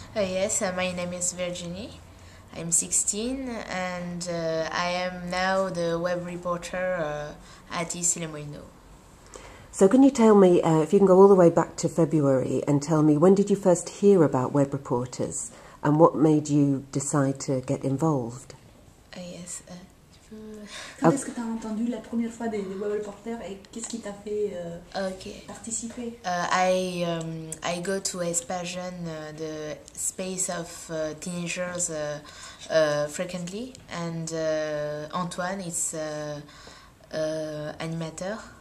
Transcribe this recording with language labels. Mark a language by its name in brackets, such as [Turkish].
[English] Yes, my name is Virginie. I'm 16 and I am now the web reporter at Issy Les Molineaux. So can you tell me, if you can go all the way back to February and tell me, when did you first hear about web reporters and what made you decide to get involved? Yes. [French] Quand est-ce que tu as entendu la première fois des web reporters et qu'est-ce qui t'a fait participer? [English] I go to Espagne, the space of teenagers frequently, and Antoine is animateur.